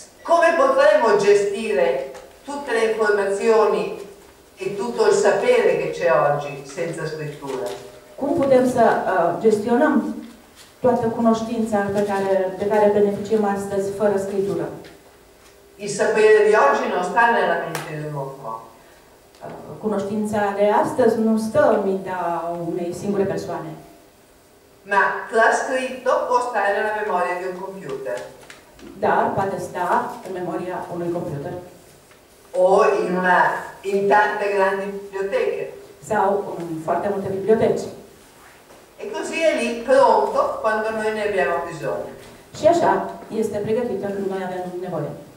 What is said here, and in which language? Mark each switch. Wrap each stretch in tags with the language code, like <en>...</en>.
<it>Come potremmo gestire tutte le informazioni e tutto il sapere che c'è oggi senza scrittura?</it> <ro>Cum putem să gestionăm toată cunoștința pe care beneficiem astăzi fără scritură?</ro> <it>Il sapere di oggi non sta nella mente di un uomo.</it> <ro>Cunoștința de astăzi nu stă în mintea unei singure persoane.</ro> <it>Ma trascritto può stare nella memoria di un computer.</it> <ro>Dar poate sta în memoria unui computer.</ro> <it>O in tante grandi biblioteche.</it> <ro>Sau foarte multe biblioteci.</ro> <it>E così è lì pronto quando noi ne abbiamo bisogno.</it> <ro>Și așa este pregătită când noi avem nevoie.</ro>